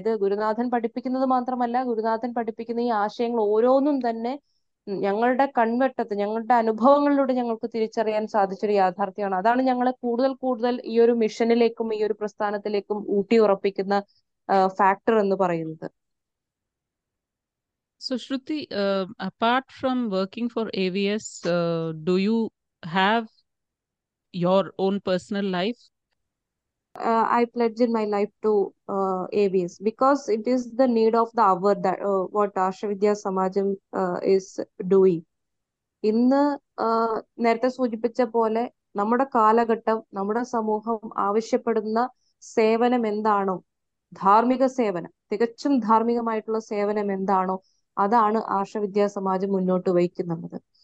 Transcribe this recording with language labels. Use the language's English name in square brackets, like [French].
[Malayalam] ഇത് ഗുരുനാഥൻ പഠിപ്പിക്കുന്നത് മാത്രമല്ല, ഗുരുനാഥൻ പഠിപ്പിക്കുന്ന ഈ ആശയങ്ങൾ ഓരോന്നും തന്നെ ഞങ്ങളുടെ കൺവെട്ടത്ത് ഞങ്ങളുടെ അനുഭവങ്ങളിലൂടെ ഞങ്ങൾക്ക് തിരിച്ചറിയാൻ സാധിച്ചൊരു യാഥാർത്ഥ്യമാണ്. അതാണ് ഞങ്ങളെ കൂടുതൽ കൂടുതൽ ഈ ഒരു മിഷനിലേക്കും ഈ ഒരു പ്രസ്ഥാനത്തിലേക്കും ഊട്ടി ഉറപ്പിക്കുന്ന ഫാക്ടർ എന്ന് പറയുന്നത്. [English] So Shruti, apart from working for AVS, do you have your own personal life? I pledge in my life to AVS because it is the need of the hour that what Ashravidya Samajam is doing. [Malayalam] ഇന്ന് നേരത്തെ സൂചിപ്പിച്ച പോലെ നമ്മുടെ കാലഘട്ടം, നമ്മുടെ സമൂഹം ആവശ്യപ്പെടുന്ന സേവനം എന്താണോ, ധാർമ്മിക സേവനം, തികച്ചും ധാർമ്മികമായിട്ടുള്ള സേവനം എന്താണോ, അതാണ് ആർഷവിദ്യാസമാജം മുന്നോട്ട് വഹിക്കുന്നത്.